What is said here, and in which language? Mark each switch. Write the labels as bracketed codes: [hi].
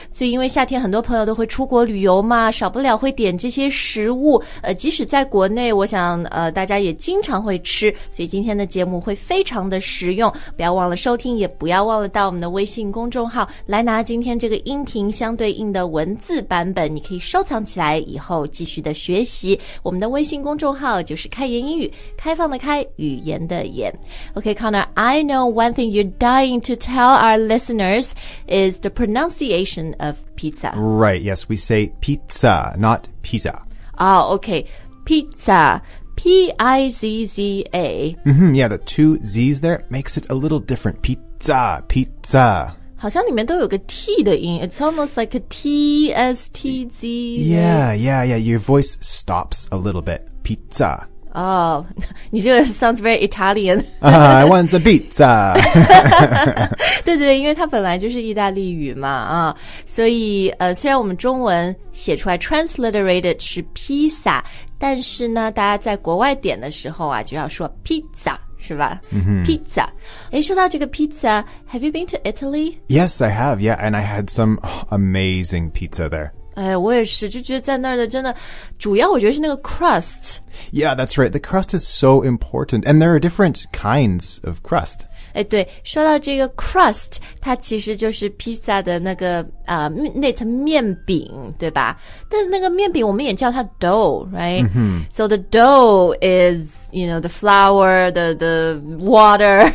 [zh] 所以因为夏天很多朋友都会出国旅游嘛，少不了会点这些食物，即使在国内，我想大家也经常会吃，所以今天的节目会非常的实用，不要忘了收听，也不要忘了到我们的微信公众号来拿今天这个音频相对应的文字版本，你可以收藏起来以后继续的学习。我们的微信公众号就是开言英语，开放的开，语言的言。 [en] OK, Connor, I know one thing you're dying to tell our listeners is the pronunciation of pizza. Right, yes, we say pizza, not pizza. Oh, OK, pizza. P-I-Z-Z-A. Mm-hmm, yeah, the two Z's there makes it a little different. Pizza, pizza. [zh] 好像里面都有个 T 的音 [en] It's almost like a T-S-T-Z. Yeah. Your voice stops a little bit. Pizza. Oh, [zh] 你这个 [en] sounds very Italian. I want some pizza. [zh] 对对对，因为它本来就是意大利语嘛啊，所以虽然我们中文写出来 transliterated 是 pizza,但是呢大家在国外点的时候啊就要说 pizza, 是吧、 mm-hmm. [en] pizza. [zh] 诶说到这个 [en] pizza, have you been to Italy? Yes, I have, yeah, and I had some amazing pizza there. [zh] 哎我也是就觉得在那儿的真的主要我觉得是那个 crust. [en] Yeah, that's right, the crust is so important, and there are different kinds of crust. [zh] 哎，对，说到这个 crust, 它其实就是 pizza 的那个那层面饼，对吧？但那个面饼我们也叫它 dough, right?、 Mm-hmm. [en] So the dough is, you know, the flour, the water.